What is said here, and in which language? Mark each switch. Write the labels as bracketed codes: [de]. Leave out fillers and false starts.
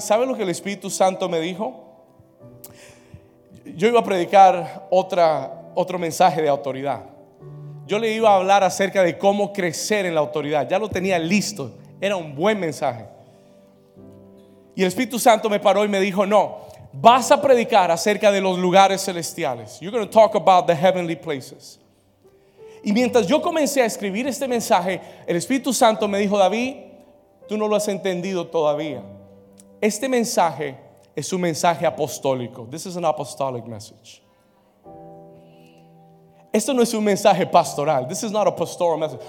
[es] ¿Sabe lo que el Espíritu Santo me dijo? Yo iba a predicar otro mensaje de autoridad. Yo le iba a hablar acerca de cómo crecer en la autoridad. Ya lo tenía listo. Era un buen mensaje. Y el Espíritu Santo me paró y me dijo: no, vas a predicar acerca de los lugares celestiales. [en] You're going to talk about the heavenly places. [es] Y mientras yo comencé a escribir este mensaje, el Espíritu Santo me dijo: David, tú no lo has entendido todavía. Este mensaje es un mensaje apostólico. [en] This is an apostolic message. [es] Esto no es un mensaje pastoral. [en] This is not a pastoral message.